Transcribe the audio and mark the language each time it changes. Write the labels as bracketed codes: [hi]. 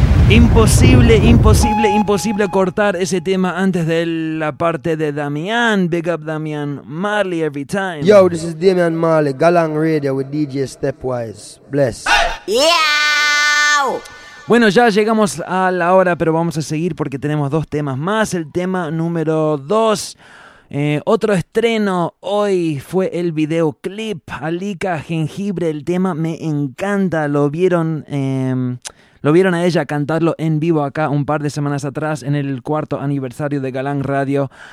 [es] Imposible, imposible, imposible cortar ese tema antes de la parte de Damian. [en] Big up Damian Marley every time. Yo, this is Damian Marley, Galang Radio with DJ Stepwise. Bless. Yeah. [es] Bueno, ya llegamos a la hora, pero vamos a seguir porque tenemos dos temas más. El tema número 2. Otro estreno hoy fue el videoclip Alika Jengibre. El tema me encanta. Lo vieron a ella cantarlo en vivo acá un par de semanas atrás en el cuarto aniversario de Galán Radio.